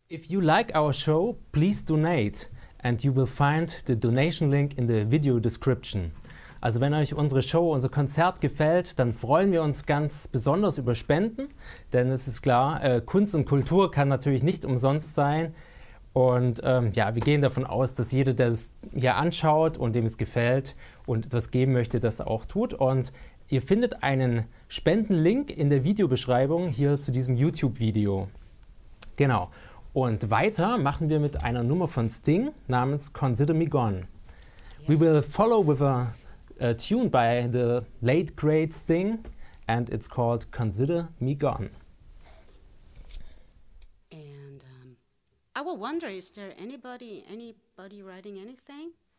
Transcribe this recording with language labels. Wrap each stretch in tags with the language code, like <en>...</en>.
<en>like our show, please donate, and you will find the donation link in the video description.</en> <de>Also wenn euch unsere Show, unser Konzert gefällt, dann freuen wir uns ganz besonders über Spenden, denn es ist klar, Kunst und Kultur kann natürlich nicht umsonst sein und ja, wir gehen davon aus, dass jeder, der es hier anschaut und dem es gefällt und etwas geben möchte, das auch tut. Und ihr findet einen Spendenlink in der Videobeschreibung hier zu diesem YouTube-Video. Genau. Und weiter machen wir mit einer Nummer von Sting namens Consider Me Gone. Yes.</de> <en>We will follow with a tune by the late great Sting, and it's called Consider Me Gone. And I will wonder, is there anybody writing anything?</en>